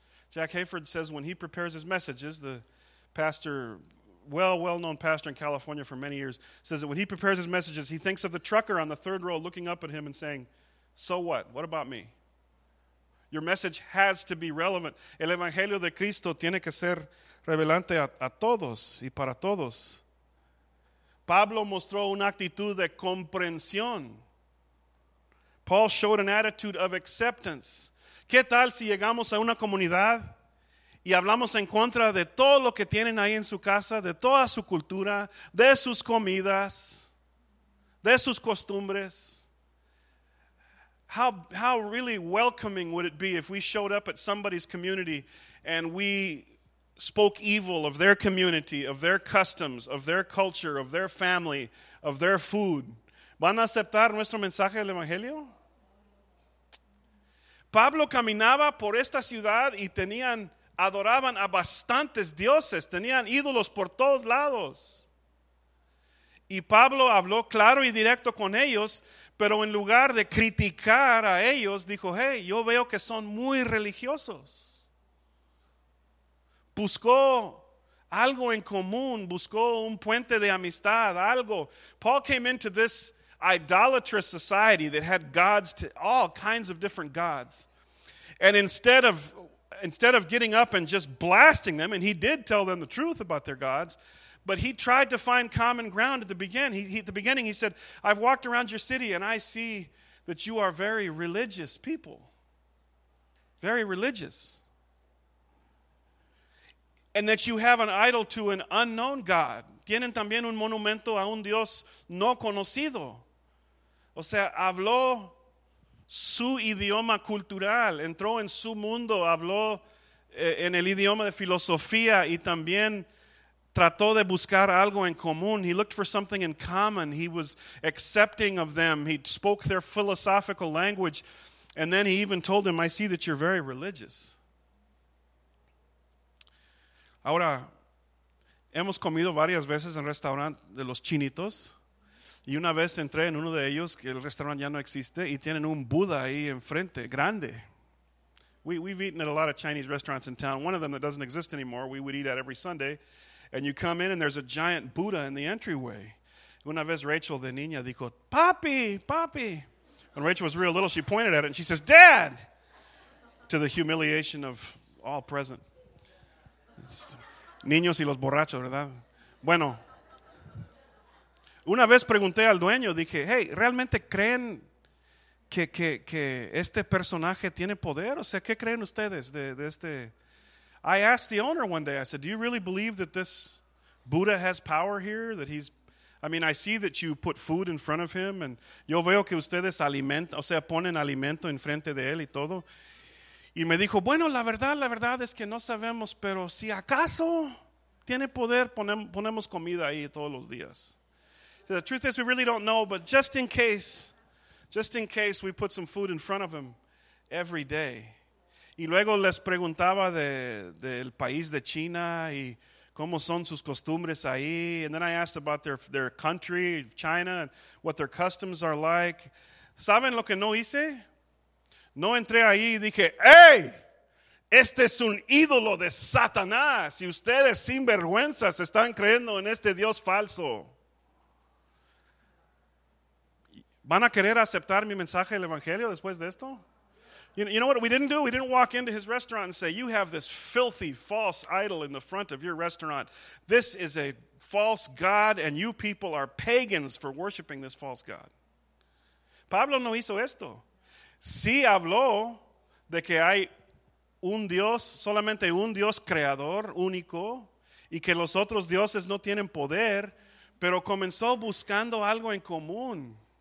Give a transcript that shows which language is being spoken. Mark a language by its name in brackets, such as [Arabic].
[English] Jack Hayford says when he prepares his messages, the pastor, well-known pastor in California for many years, says that when he prepares his messages, he thinks of the trucker on the third row looking up at him and saying, so what? What about me? Your message has to be relevant. [Spanish] El Evangelio de Cristo tiene que ser relevante a todos y para todos. Pablo mostró una actitud de comprensión. [English] Paul showed an attitude of acceptance. [Spanish] ¿Qué tal si llegamos a una comunidad y hablamos en contra de todo lo que tienen ahí en su casa, de toda su cultura, de sus comidas, de sus costumbres? [English] How really welcoming would it be if we showed up at somebody's community and we spoke evil of their community, of their customs, of their culture, of their family, of their food? [Spanish] ¿Van a aceptar nuestro mensaje del Evangelio? Pablo caminaba por esta ciudad y adoraban a bastantes dioses, tenían ídolos por todos lados. Y Pablo habló claro y directo con ellos, pero en lugar de criticar a ellos, dijo, hey, yo veo que son muy religiosos. Buscó algo en común, buscó un puente de amistad, algo. [English] Paul came into this idolatrous society that had gods to all kinds of different gods. And instead of getting up and just blasting them, and he did tell them the truth about their gods, But he tried to find common ground at the beginning. He said, I've walked around your city and I see that you are very religious people. Very religious. And that you have an idol to an unknown God. [Spanish] Tienen también un monumento a un Dios no conocido. O sea, habló su idioma cultural. Entró en su mundo. Habló en el idioma de filosofía y también trató de buscar algo en común. [English] He looked for something in common. He was accepting of them. He spoke their philosophical language. And then he even told him, I see that you're very religious. [Spanish] Ahora, hemos comido varias veces en restaurante de los chinitos. Y una vez entré en uno de ellos, que el restaurante ya no existe, y tienen un Buda ahí enfrente, grande. [English] We've eaten at a lot of Chinese restaurants in town. One of them that doesn't exist anymore, we would eat at every Sunday. And you come in and there's a giant Buddha in the entryway. [Spanish] Una vez Rachel, de niña, dijo, papi, papi. [English] And Rachel was real little. She pointed at it and she says, Dad, to the humiliation of all present. [Spanish] Niños y los borrachos, ¿verdad? Bueno, una vez pregunté al dueño, dije, hey, ¿realmente creen que este personaje tiene poder? O sea, ¿qué creen ustedes de este? [English] I asked the owner one day, I said, do you really believe that this Buddha has power here? That he's, I mean, I see that you put food in front of him, and [Spanish] yo veo que ustedes alimentan, o sea, ponen alimento enfrente de él y todo. Y me dijo, bueno, la verdad es que no sabemos, pero si acaso tiene poder, ponemos comida ahí todos los días. [English] The truth is, we really don't know, but just in case, we put some food in front of him every day. [Spanish] Y luego les preguntaba del país de China y cómo son sus costumbres ahí. [English] And then I asked about their country, China, and what their customs are like. [Spanish] ¿Saben lo que no hice? No entré ahí y dije, ¡Hey! Este es un ídolo de Satanás. Y ustedes sinvergüenzas están creyendo en este Dios falso. ¿Van a querer aceptar mi mensaje del Evangelio después de esto? [English] You know what we didn't do? We didn't walk into his restaurant and say, you have this filthy, false idol in the front of your restaurant. This is a false god and you people are pagans for worshiping this false god. [Spanish] Pablo no hizo esto. Sí habló de que hay un Dios, solamente un Dios creador, único, y que los otros dioses no tienen poder, pero comenzó buscando algo en común.